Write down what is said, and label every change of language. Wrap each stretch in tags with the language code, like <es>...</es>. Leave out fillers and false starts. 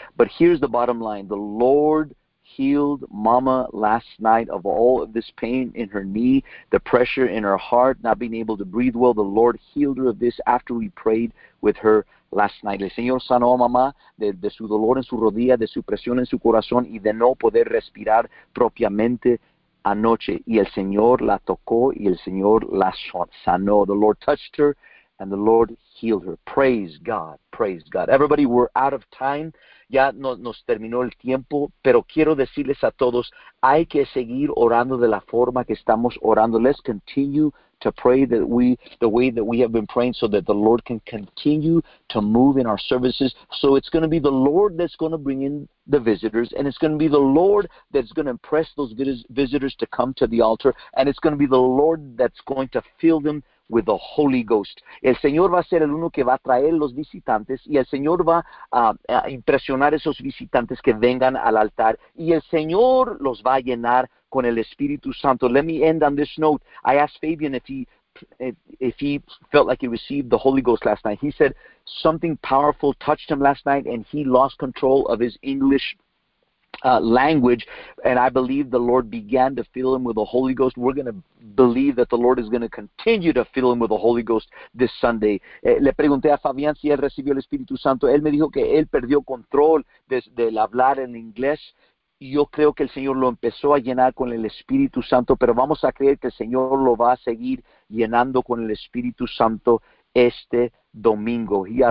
<en>But here's the bottom line. The Lord healed mama last night of all of this pain in her knee, the pressure in her heart, not being able to breathe well. The Lord healed her of this after we prayed with her last night.</en> <es>El Señor sanó a mamá de su dolor en su rodilla, de su presión en su corazón y de no poder respirar propiamente anoche. Y el Señor la tocó y el Señor la sanó.</es> <en>The Lord touched her and the Lord healed her. Praise God. Praise God. Everybody, we're out of time.</en> <es>Ya no, nos terminó el tiempo, pero quiero decirles a todos, hay que seguir orando de la forma que estamos orando.</es> <en>Let's continue to pray the way that we have been praying so that the Lord can continue to move in our services. So it's going to be the Lord that's going to bring in the visitors, and it's going to be the Lord that's going to impress those visitors to come to the altar, and it's going to be the Lord that's going to fill them with the Holy Ghost.</en> <es>El Señor va a ser el uno que va a traer los visitantes, y el Señor va a impresionar esos visitantes que vengan al altar, y el Señor los va a llenar con el Espíritu Santo.</es> <en>Let me end on this note. I asked Fabian if he felt like he received the Holy Ghost last night. He said something powerful touched him last night, and he lost control of his English language, and I believe the Lord began to fill him with the Holy Ghost. We're going to believe that the Lord is going to continue to fill him with the Holy Ghost this Sunday.</en> <es>Le pregunté a Fabián si él recibió el Espíritu Santo. Él me dijo que él perdió control del hablar en inglés. Yo creo que el Señor lo empezó a llenar con el Espíritu Santo, pero vamos a creer que el Señor lo va a seguir llenando con el Espíritu Santo este domingo.</es>